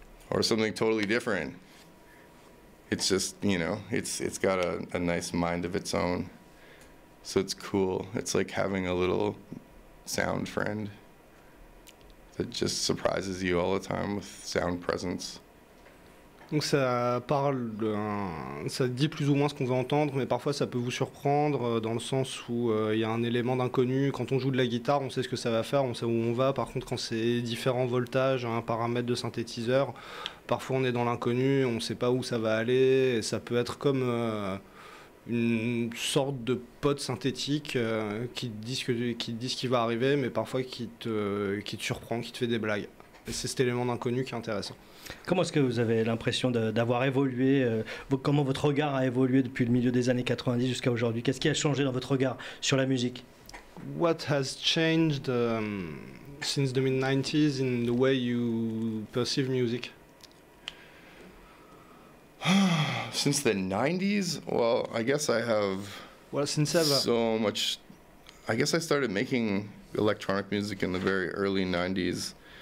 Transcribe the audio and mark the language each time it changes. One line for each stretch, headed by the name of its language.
English: Or something totally different. It's just, it's got a nice mind of its own. So it's cool. It's like having a little sound friend that just surprises you all the time with sound presence.
French: Donc ça parle, ça dit plus ou moins ce qu'on veut entendre, mais parfois ça peut vous surprendre dans le sens où il y a un élément d'inconnu. Quand on joue de la guitare, on sait ce que ça va faire, on sait où on va. Par contre, quand c'est différents voltages, un paramètre de synthétiseur, parfois on est dans l'inconnu, on ne sait pas où ça va aller. Et ça peut être comme une sorte de pote synthétique qui te dit ce qui va arriver, mais parfois qui te surprend, qui te fait des blagues. Et c'est cet élément d'inconnu qui est intéressant. Comment est-ce que vous avez l'impression d'avoir évolué, comment votre regard a évolué depuis le milieu des années 90 jusqu'à aujourd'hui? Qu'est-ce qui a changé dans votre regard sur la musique?
English: What has changed since the mid-90s in the way you perceive music? Since the 90s? Well, I guess I have... Well, since ever. So much... I guess I started making electronic music in the very early 90s.